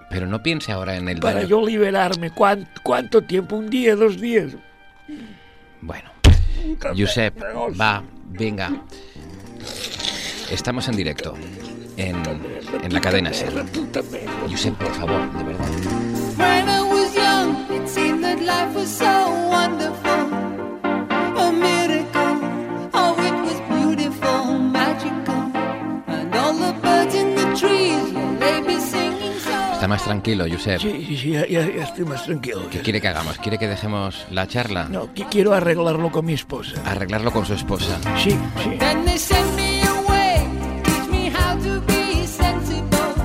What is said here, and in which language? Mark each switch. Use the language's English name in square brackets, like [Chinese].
[Spanish] Pero no piense ahora en el para daño. Para yo liberarme. ¿Cuánto tiempo? ¿Un día? ¿Dos días? Bueno, Josep, va, venga. Estamos en directo en la cadena SER. Josep, por favor, de verdad. [English] When I was young, it seemed that life was so wonderful. A miracle, oh, it was beautiful, magical. And all the birds in the trees, they be singing so. [Spanish] Está más tranquilo, Josep. Sí, ya estoy más tranquilo. ¿Qué quiere que hagamos? ¿Quiere que dejemos la charla? No, quiero arreglarlo con mi esposa. ¿Arreglarlo con su esposa? Sí, sí. [English] Then they send me away, teach me how to be sensible,